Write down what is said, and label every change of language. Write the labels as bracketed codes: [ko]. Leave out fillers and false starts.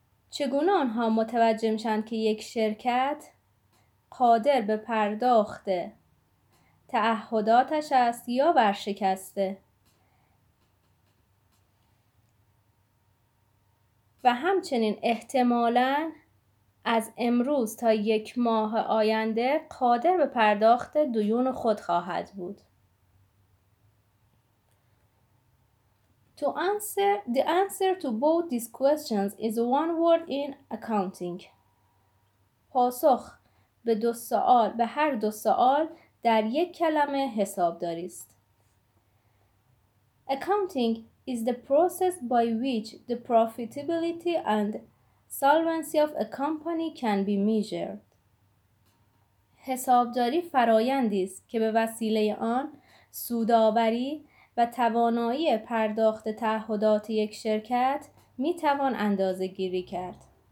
[fa] چگونه آنها متوجه میشوند که یک شرکت قادر به پرداخت تعهداتش است یا ورشکسته و همچنین احتمالاً از امروز تا یک ماه آینده قادر به پرداخت دیون خود خواهد بود. [en] The answer to both these questions is one word in accounting. [fa] پاسخ به دو سوال، به هر دو سوال در یک کلمه حسابداری است. [en] Accounting is the process by which the profitability and solvency of a company can be measured. [fa] حسابداری فرایندی است که به وسیله آن سودآوری و توانایی پرداخت تعهدات یک شرکت می توان اندازه گیری کرد.